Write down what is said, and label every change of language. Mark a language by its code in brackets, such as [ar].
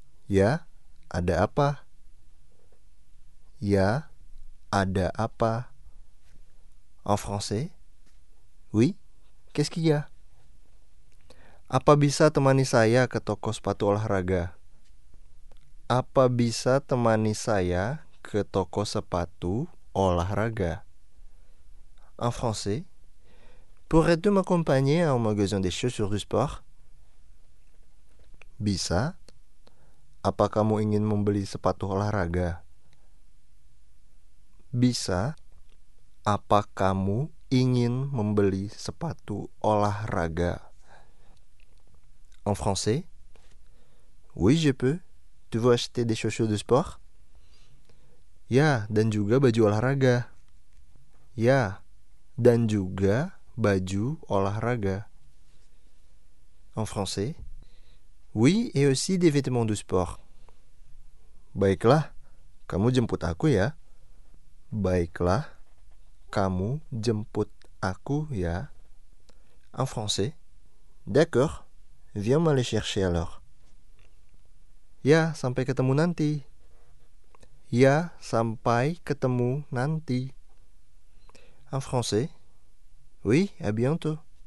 [id] Ya, ada apa? Ya, ada apa? [fr] En français? Oui, qu'est-ce qu'il y a? [id] Apa bisa temani saya ke toko sepatu olahraga? Apa bisa temani saya ke toko sepatu olahraga? [fr] En français? Pourrais-tu m'accompagner à un magasin de chaussures de sport? [id] Bisa. Apa kamu ingin membeli sepatu olahraga? [fr] Bisa. [id] Apa kamu ingin membeli sepatu olahraga? [fr] En français? Oui, je peux. Tu veux acheter des chaussures de sport? [id] Ya, dan juga baju olahraga. Ya, dan juga baju olahraga. [fr] En français? Oui, et aussi des vêtements de sport. [id] Baiklah, kamu jemput aku ya. Baiklah, kamu jemput aku ya. [fr] En français? D'accord, viens m'aller chercher alors. [id] Ya, sampai ketemu nanti. Ya, sampai ketemu nanti. [fr] En français? Oui, à bientôt.